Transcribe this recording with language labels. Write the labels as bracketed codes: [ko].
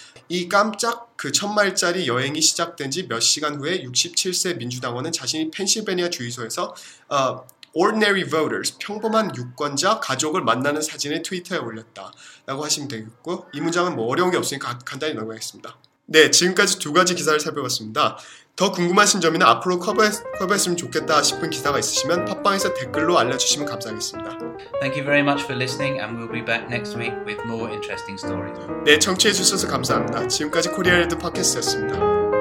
[ko] 이 깜짝 그 1,000마일짜리 여행이 시작된 지 몇 시간 후에 67세 민주당원은 자신이 펜실베니아 주유소에서 [en] ordinary voters, [ko] 평범한 유권자 가족을 만나는 사진을 트위터에 올렸다 라고 하시면 되겠고 이 문장은 뭐 어려운 게 없으니까 간단히 넘어가겠습니다. 네, 지금까지 두 가지 기사를 살펴봤습니다. 더 궁금하신 점이나 앞으로 커버했으면 좋겠다 싶은 기사가 있으시면 팟빵에서 댓글로 알려주시면 감사하겠습니다. [en] Thank you very much for listening and we'll be back next week with more interesting stories. [ko] 네, 청취해주셔서 감사합니다. 지금까지 코리아 레드 팟캐스트였습니다.